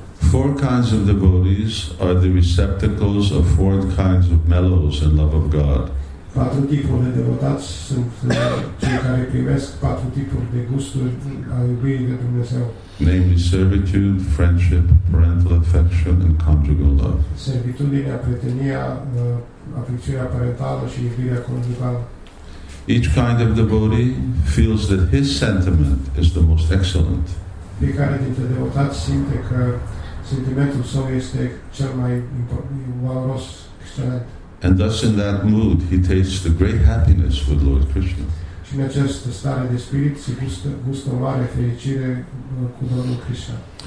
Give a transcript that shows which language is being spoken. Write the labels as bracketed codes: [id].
[en] Four kinds of devotees are the receptacles of four kinds of mellows and love of God. [ro] Patru tipuri de devotați sunt cei care primesc patru tipuri de gusturi al iubirii de Dumnezeu. [en] Namely, servitude, friendship, parental affection, and conjugal love. [ro] Servitudinea, prietenia, afecțiunea parentală și iubirea conjugală. [en] Each kind of devotee feels that his sentiment is the most excellent. [ro] Fiecare dintre devotați simte că sentimentul său este cel mai valoros, excelent. [en] And thus in that mood he tastes the great happiness with Lord Krishna. [ro] Și în această stare de spirit se gustă o mare fericire cu Domnul Krishna.